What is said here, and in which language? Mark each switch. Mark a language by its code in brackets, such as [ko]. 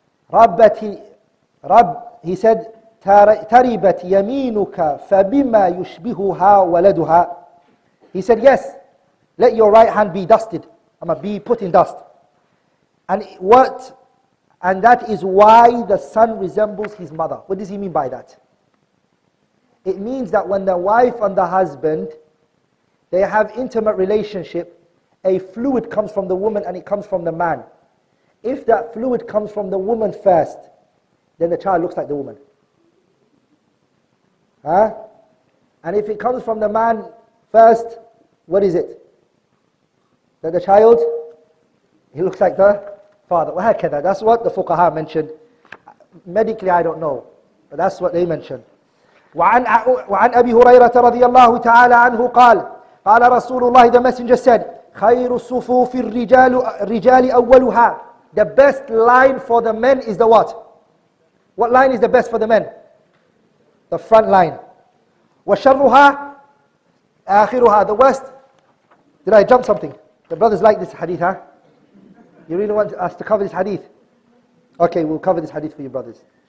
[en] He said, [ar] تربت يمينك فبما يشبهها ولدها. [en] He said, yes, let your right hand be dusted. I'ma be put in dust. And that is why the son resembles his mother. What does he mean by that? It means that when the wife and the husband, they have intimate relationship, a fluid comes from the woman and it comes from the man. If that fluid comes from the woman first, then the child looks like the woman. Huh? And if it comes from the man first, what is it? That the child, he looks like the father. That's what the fuqaha mentioned. Medically, I don't know, but that's what they mentioned. [ar] وعن أبي هريرة رضي الله تعالى عنه قال قال رسول الله, [en] the messenger said, [ar] خير الصفوف الرجال أولها. [en] The best line for the men is the what? What line is the best for the men? The front line. [ar] وَشَرُّهَا آخِرُهَا. [en] The worst. Did I jump something? The brothers like this hadith, huh? You really want us to cover this hadith? Okay, we'll cover this hadith for you, brothers.